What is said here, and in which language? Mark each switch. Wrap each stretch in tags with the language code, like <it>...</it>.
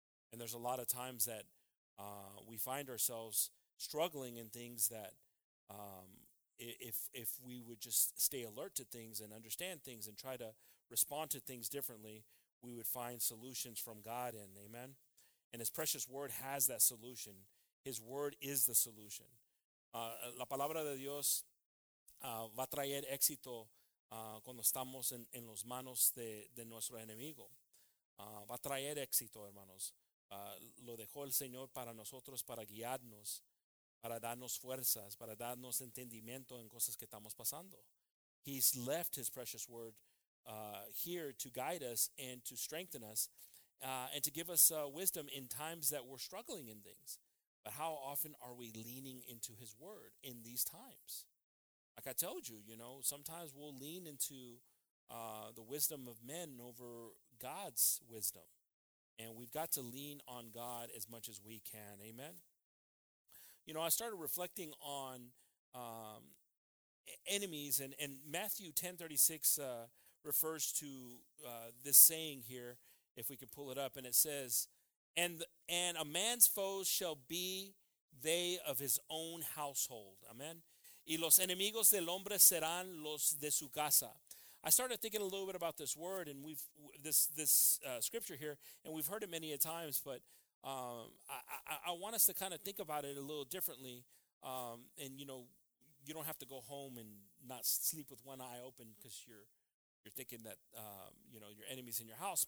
<en>And there's a lot of times that we find ourselves struggling in things that if we would just stay alert to things and understand things and try to respond to things differently, we would find solutions from God in, amen? And his precious word has that solution. His word is the solution.</en> <es>La palabra de Dios va a traer éxito cuando estamos en las manos de nuestro enemigo. Va a traer éxito, hermanos. Lo dejó el Señor para nosotros, para guiarnos, para darnos fuerzas, para darnos entendimiento en cosas que estamos pasando.</es> <en>He's left his precious word here to guide us and to strengthen us and to give us wisdom in times that we're struggling in things. But how often are we leaning into his word in these times? Like I told you, you know, sometimes we'll lean into the wisdom of men over God's wisdom. And we've got to lean on God as much as we can. Amen. You know, I started reflecting on enemies, and Matthew 10:36 refers to this saying here, if we could pull it up, and it says, and a man's foes shall be they of his own household. Amen.</en> <es>Y los enemigos del hombre serán los de su casa.</es> <en>I started thinking a little bit about this word and scripture here, and we've heard it many a times, but I want us to kind of think about it a little differently. And you know, you don't have to go home and not sleep with one eye open because you're thinking that you know, your enemy's in your house.</en>